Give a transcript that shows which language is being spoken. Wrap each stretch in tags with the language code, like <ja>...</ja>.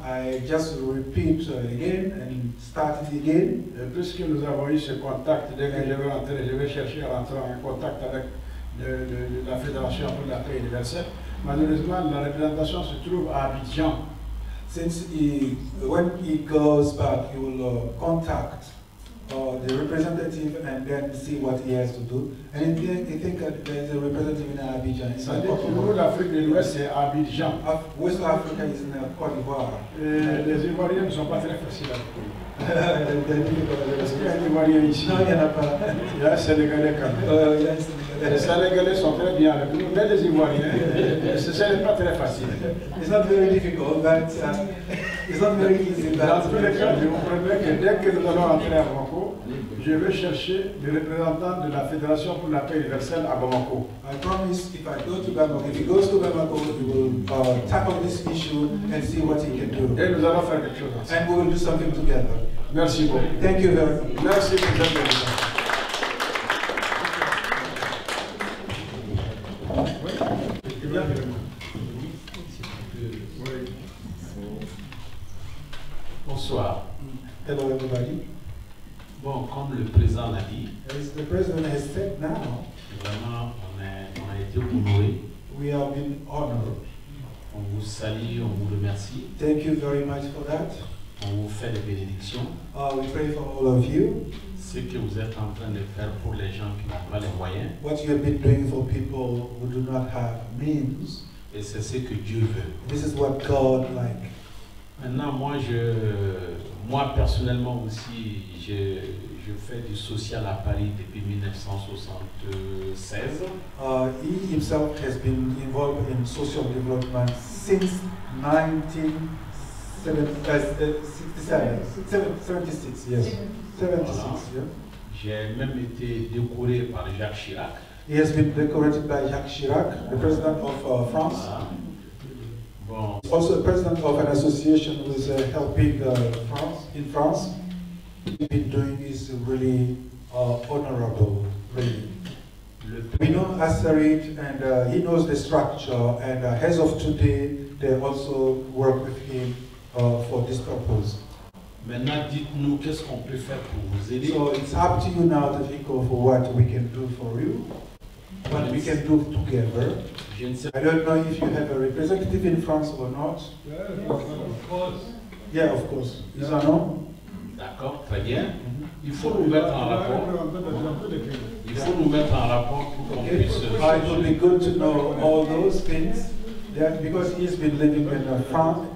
<en>I just repeat again and start it again.</en> <fr>Puisque nous avons eu ce contact, dès que je vais rentrer, je vais chercher à rentrer en contact avec de la Fédération pour la paix universelle. Malheureusement, la représentation se trouve à Abidjan.</fr> <en>Since when he goes back, he will contact the representative and then see what he has to do. And I think that there is a representative in Abidjan.</en> <fr>Ça dit que nous, l'Afrique de l'Ouest, c'est Abidjan.</fr> <en>West Africa is in Côte d'Ivoire.</en> <fr>Les Ivoiriens ne sont pas très faciles à trouver. Est-ce qu'il y a des Ivoiriens ici? Non, il n'y en a pas. Il y a un Sénégalais quand même. Les Sénégalais sont très bien avec nous, mais les Ivoiriens, ce n'est pas très facile.</fr> <en>It's not very difficult, but it's not very easy.</en> <fr>Dans tous les cas, je vous promets que dès que nous allons entrer à Bamako, je vais chercher le représentant de la Fédération pour la paix universelle à Bamako.</fr> <en>I promise, if I go to Bamako, if he goes to Bamako, we will tackle this issue and see what he can do.</en> <fr>Et nous allons faire quelque chose.</fr> <en>And we will do something together.</en> <fr>Merci beaucoup.</fr> <en>Thank you very much.</en> <fr>Merci beaucoup. Bonsoir.</fr> <en>Hello everybody.</en> <fr>Bon, comme le président l'a dit,</fr> <en>as the president has said now,</en> <fr>vraiment, on a été honoré.</fr> <en>We have been honored.</en> <fr>On vous salue, on vous remercie.</fr> <en>Thank you very much for that.</en> <fr>On vous fait des bénédictions.</fr> <en>We pray for all of you.</en> <fr>Ce que vous êtes en train de faire pour les gens qui n'ont pas les moyens.</fr> <en>What you have been doing for people who do not have means.</en> <fr>Et c'est ce que Dieu veut.</fr> <en>This is what God likes.</en> <fr>Maintenant, moi personnellement aussi, je fais du social à Paris depuis 1976.</fr> <en>He himself has been involved in social development since 1976.</en> <fr>Voilà. Yeah. J'ai même été décoré par Jacques Chirac.</fr> <en>He has been decorated by Jacques Chirac, the president of France.</en> <fr>Voilà. Bon.</fr> <en>Also, the president of an association who is helping France in France. What he's been doing is really honorable, really. We know Asserit, and he knows the structure, and as of today, they also work with him for this purpose.</en> <fr>Maintenant, dites-nous qu'est-ce qu'on peut faire pour vous aider.</fr> <en>So it's up to you now to think of what we can do for you. What we can do together. I don't know if you have a representative in France or not. Yes, of course. Yeah, of course. Is that no?</en> <fr>D'accord, très bien. Il faut nous mettre en rapport. Il faut nous mettre en rapport pour qu'on puisse.</fr> <en>It would be good to know all those things. Yeah, because he has been living in France.</en>